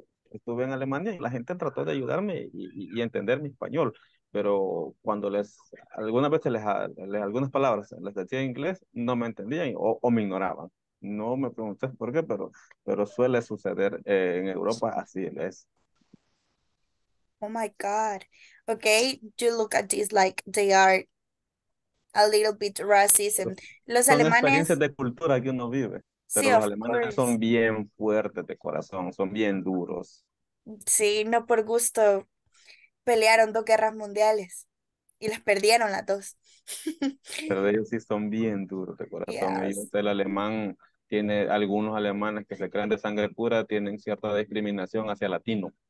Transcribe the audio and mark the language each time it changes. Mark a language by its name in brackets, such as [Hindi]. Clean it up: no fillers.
[Spanish] Estuve en Alemania y la gente trató de ayudarme y entender mi español. Pero cuando algunas palabras les decía en inglés, no me entendían o me ignoraban. No me preguntes por qué, pero suele suceder en Europa, así es. [English] Oh my God. Okay, you look at this like they are a little bit racism. [Spanish] Los alemanes... Son experiencias de cultura que uno vive. Pero sí, los alemanes son bien fuertes de corazón, son bien duros. Sí, no por gusto. Pelearon dos guerras mundiales y las perdieron las dos. Pero ellos sí son bien duros de corazón. Yes. El alemán tiene algunos alemanes que se creen de sangre pura, tienen cierta discriminación hacia latino.